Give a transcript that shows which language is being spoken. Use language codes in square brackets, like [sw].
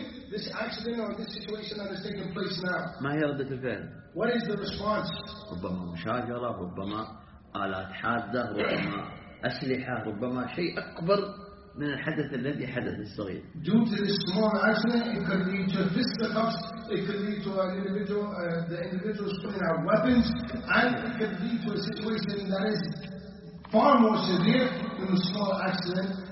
[en] This accident or this situation that is taking place now. [ar] ما هي ردة الفعل؟ [en] What is the response? [ar] ربما مشاجرة، ربما آلات حادة، ربما أسلحة، ربما شيء أكبر من الحدث الذي حدث الصغير. [en] Due to this small accident, it could lead to fist ups. It could lead to an individual, the individuals pulling out weapons, and it could lead to a situation that is far more severe than the small accident.